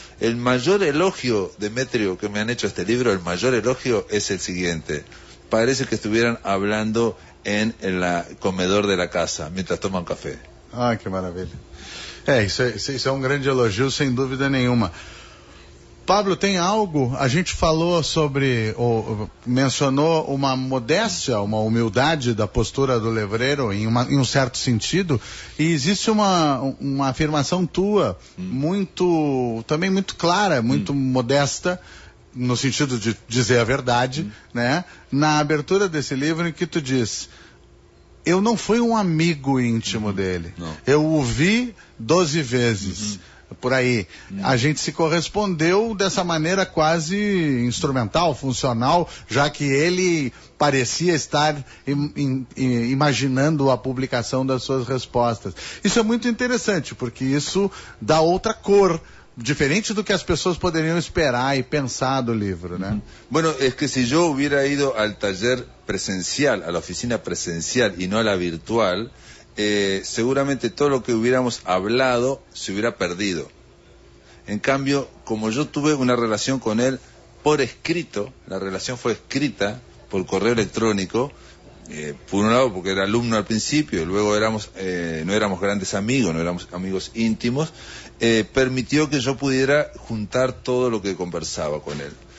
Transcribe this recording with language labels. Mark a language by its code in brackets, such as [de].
[es] El mayor elogio, Demetrio, que me han hecho este libro, el mayor elogio es el siguiente. Parece que estuvieran hablando en la comedor de la casa mientras toman café. Ah, qué maravilla. Eso es un gran elogio, sin duda ninguna. [pt] Pablo, tem algo? A gente falou sobre, ou mencionou uma modéstia, uma humildade da postura do Levreiro em um certo sentido, e existe uma afirmação tua, muito, também muito clara, muito modesta, no sentido de dizer a verdade, né? Na abertura desse livro em que tu diz, eu não fui um amigo íntimo dele, não. Eu o vi 12 vezes. Por aí, a gente se correspondeu dessa maneira quase instrumental, funcional, já que ele parecia estar imaginando a publicação das suas respostas. Isso é muito interessante, porque isso dá outra cor, diferente do que as pessoas poderiam esperar e pensar do livro, né? [es] Bueno, es que si yo hubiera ido al taller presencial, a la oficina presencial y no a la virtual, seguramente todo lo que hubiéramos hablado se hubiera perdido. En cambio, como yo tuve una relación con él por escrito, la relación fue escrita por correo electrónico, por un lado porque era alumno al principio, luego no éramos grandes amigos, no éramos amigos íntimos, permitió que yo pudiera juntar todo lo que conversaba con él.